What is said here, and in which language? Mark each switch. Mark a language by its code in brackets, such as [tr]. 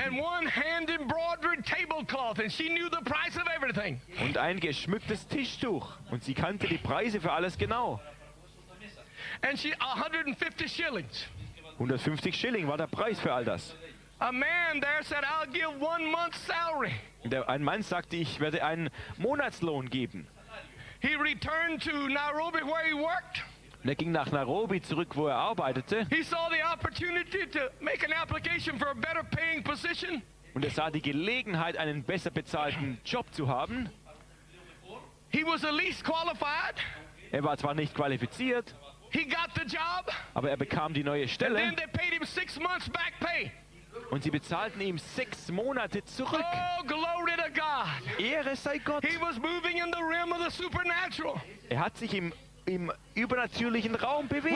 [en] And one hand embroidered tablecloth, and she knew the price of everything. [de] Und ein geschmücktes Tischtuch. Und sie kannte die Preise für alles genau. [en] And she 150 shillings. [de] 150 Schilling war der Preis für all das. [en] A man there said, I'll give 1 month's salary. [de] Ein Mann sagte, ich werde einen Monatslohn geben. [en] He returned to Nairobi where he worked. [de] Er ging nach Nairobi zurück, wo er arbeitete. [en] He saw the opportunity to make an application for a better paying position. [de] Und er sah die Gelegenheit, einen besser bezahlten Job zu haben. [en] He was at least qualified. [de] Er war zwar nicht qualifiziert, [en] he got the job. [de] Aber er bekam die neue Stelle. [en] And then they paid him 6 months back pay. [de] Und sie bezahlten ihm 6 Monate zurück. [en] Oh, glory to God. [de] Ehre sei Gott. [en] He was moving in the realm of the supernatural. [de] Er hat sich im übernatürlichen Raum bewegt.